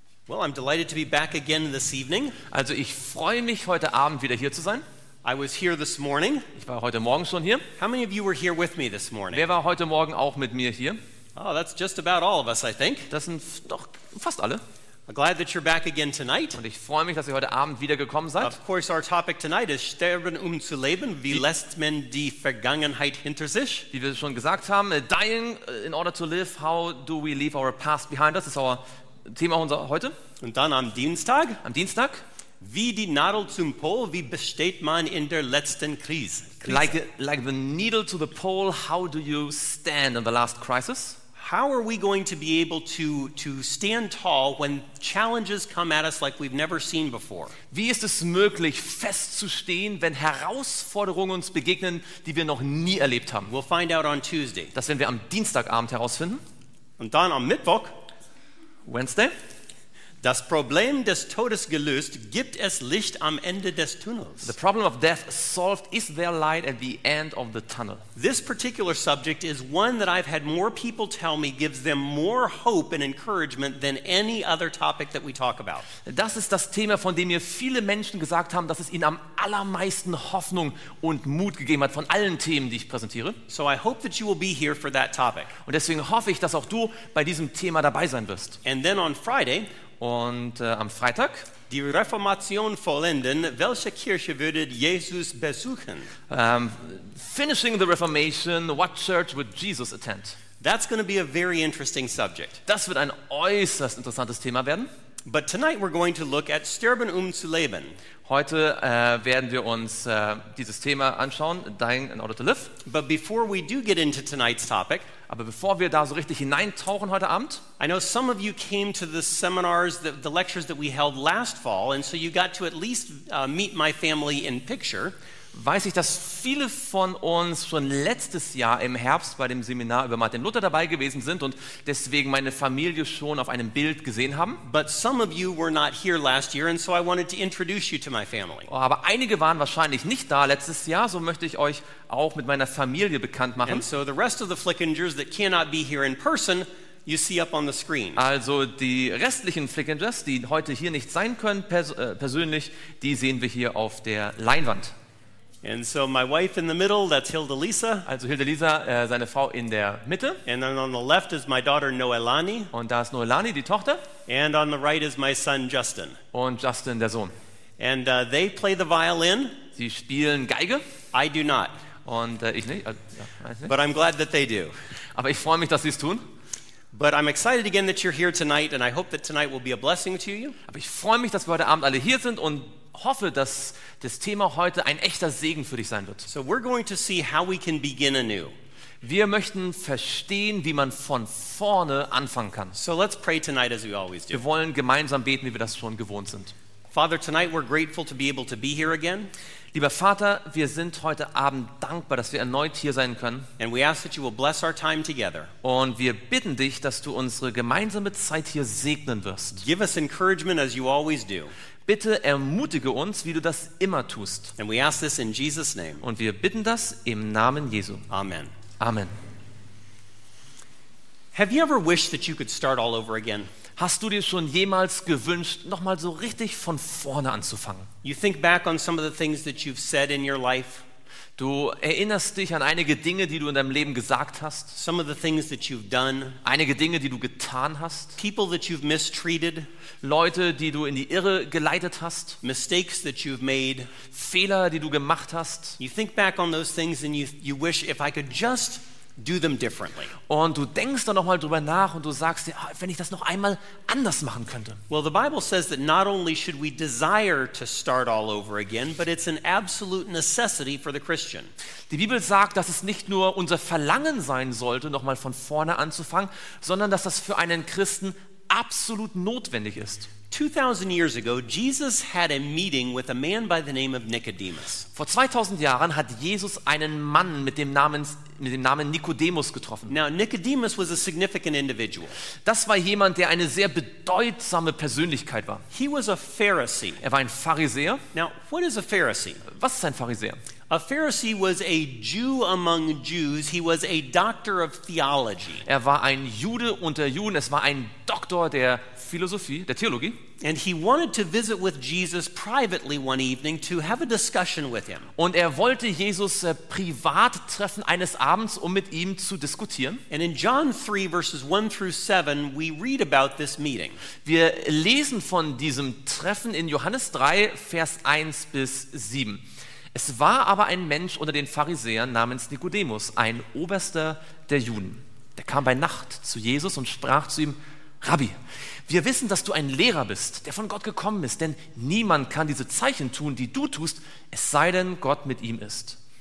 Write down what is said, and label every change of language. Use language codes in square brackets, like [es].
[en] I'm delighted to be back again this evening. [de] Also, ich freue mich heute Abend wieder hier zu sein. [en] I was here this morning. [de] Ich war heute Morgen schon hier. [en] How many of you were here with me this morning? [de] Wer war heute Morgen auch mit mir hier? [en] Oh, that's just about all of us, I think. [de] Das sind doch fast alle. [en] I'm glad that you're back again tonight. [de] Und ich freue mich, dass ihr heute Abend wieder gekommen seid. [en] Of course, our topic tonight is [de] sterben zu leben. Wie lässt man die Vergangenheit hinter sich? Wie wir schon gesagt haben, [en] dying in order to live. How do we leave our past behind us? [de] Das ist unser Thema heute. Und dann am Dienstag. Am Dienstag. Wie die Nadel zum Pol. Wie besteht man in der letzten Krise? [en] Like the needle to the pole. How do you stand in the last crisis? How are we going to be able to stand tall when challenges come at us like we've never seen before? [de] Wie ist es möglich, festzustehen, wenn Herausforderungen uns begegnen, die wir noch nie erlebt haben? [en] We'll find out on Tuesday. [de] Das werden wir am Dienstagabend herausfinden. Und dann am Mittwoch. [en] Wednesday. [de] Das Problem des Todes gelöst, gibt es Licht am Ende des Tunnels. [en] The problem of death solved, is there light at the end of the tunnel? This particular subject is one that I've had more people tell me gives them more hope and encouragement than any other topic that we talk about. [de] Das ist das Thema, von dem mir viele Menschen gesagt haben, dass es ihnen am allermeisten Hoffnung und Mut gegeben hat von allen Themen, die ich präsentiere. [en] So I hope that you will be here for that topic. [de] Und deswegen hoffe ich, dass auch du bei diesem Thema dabei sein wirst. [en] And then on Friday. [de] Und am Freitag, die Reformation vollenden, welche Kirche würdet Jesus besuchen? [en] Finishing the Reformation, what church would Jesus attend? That's going to be a very interesting subject. [de] Das wird ein äußerst interessantes Thema werden. [en] But tonight we're going to look at [de] sterben zu leben. Heute werden wir uns dieses Thema anschauen, [en] dying in order to live. But before we do get into tonight's topic, [de] aber bevor wir da so richtig hineintauchen heute Abend, [en] I know some of you came to the seminars, the lectures that we held last fall, and so you got to at least meet my family in picture. [de] Weiß ich, dass viele von uns schon letztes Jahr im Herbst bei dem Seminar über Martin Luther dabei gewesen sind und deswegen meine Familie schon auf einem Bild gesehen haben. [en] But some of you were not here last year, and so I wanted to introduce you to my family. [de] Aber einige waren wahrscheinlich nicht da letztes Jahr, so möchte ich euch auch mit meiner Familie bekannt machen. [en] And so the rest of the Flickingers that cannot be here in person, you see up on the screen. [de] Also die restlichen Flickingers, die heute hier nicht sein können persönlich, die sehen wir hier auf der Leinwand. [en] And so my wife in the middle, that's Hilda Lisa. [de] Also Hilda Lisa, seine Frau in der Mitte. [en] And then on the left is my daughter Noelani. [de] Und da ist Noelani, die Tochter. [en] And on the right is my son Justin. [de] Und Justin, der Sohn. [en] And they play the violin. [de] Sie spielen Geige. [en] I do not. [de] Und ich nicht. Weiß nicht. [en] But I'm glad that they do. [de] Aber ich freue mich, dass sie es tun. [en] But I'm excited again that you're here tonight, and I hope that tonight will be a blessing to you. [de] Aber ich freue mich, dass wir heute Abend alle hier sind und hoffe, dass das Thema heute ein echter Segen für dich sein wird. [en] So we're going to see how we can begin anew. [de] Wir möchten verstehen, wie man von vorne anfangen kann. [en] So let's pray tonight as we always do. [de] Wir wollen gemeinsam beten, wie wir das schon gewohnt sind. [en] Father, tonight we're grateful to be able to be here again. [de] Lieber Vater, wir sind heute Abend dankbar, dass wir erneut hier sein können. [en] And we ask that you will bless our time together. [de] Und wir bitten dich, dass du unsere gemeinsame Zeit hier segnen wirst. [en] Give us encouragement as you always do. [de] Bitte ermutige uns, wie du das immer tust. [en] And we ask this in Jesus' name. [de] Und wir bitten das im Namen Jesu. [en] Amen. [de] Amen. [en] Have you ever wished that you could start all over again? [de] Hast du dir schon jemals gewünscht, nochmal so richtig von vorne anzufangen? [en] You think back on some of the things that you've said in your life. [de] Du erinnerst dich an einige Dinge, die du in deinem Leben gesagt hast. [en] Some of the things that you've done. [de] Einige Dinge, die du getan hast. [en] People that you've mistreated. [de] Leute, die du in die Irre geleitet hast. [en] Mistakes that you've made. [de] Fehler, die du gemacht hast. [en] You think back on those things and you wish, if I could just do them differently. [de] Und du denkst dann noch mal drüber nach und du sagst dir, wenn ich das noch einmal anders machen könnte. [en] Well, the Bible says that not only should we desire to start all over again, but it's an absolute necessity for the Christian. [de] Die Bibel sagt, dass es nicht nur unser Verlangen sein sollte, noch mal von vorne anzufangen, sondern dass das für einen Christen absolut notwendig ist. [en] 2000 years ago, Jesus had a meeting with a man by the name of Nicodemus. [de] Vor 2000 Jahren hat Jesus einen Mann mit dem Namen Nicodemus getroffen. [en] Now, Nicodemus was a significant individual. [de] Das war jemand, der eine sehr bedeutsame Persönlichkeit war. [en] He was a Pharisee. [de] Er war ein Pharisäer. [en] Now, what is a Pharisee? [de] Was ist ein Pharisäer? [en] A Pharisee was a Jew among Jews. He was a doctor of theology. [de] Er war ein Jude unter Juden. Es war ein Doktor der Philosophie, der Theologie. [en] And he wanted to visit with Jesus privately one evening to have a discussion with him. [de] Und wollte Jesus privat treffen eines Abends, mit ihm zu diskutieren. [en] And in John 3 verses 1 through 7 we read about this meeting. [de] Wir lesen von diesem Treffen in Johannes 3 Vers 1 bis 7. Es war aber ein Mensch unter den Pharisäern namens Nikodemus, ein Oberster der Juden. Der kam bei Nacht zu Jesus und sprach zu ihm: Rabbi, wir wissen, dass du ein Lehrer bist, der von Gott gekommen ist, denn niemand kann diese Zeichen tun, die du tust, es sei denn, Gott mit ihm ist.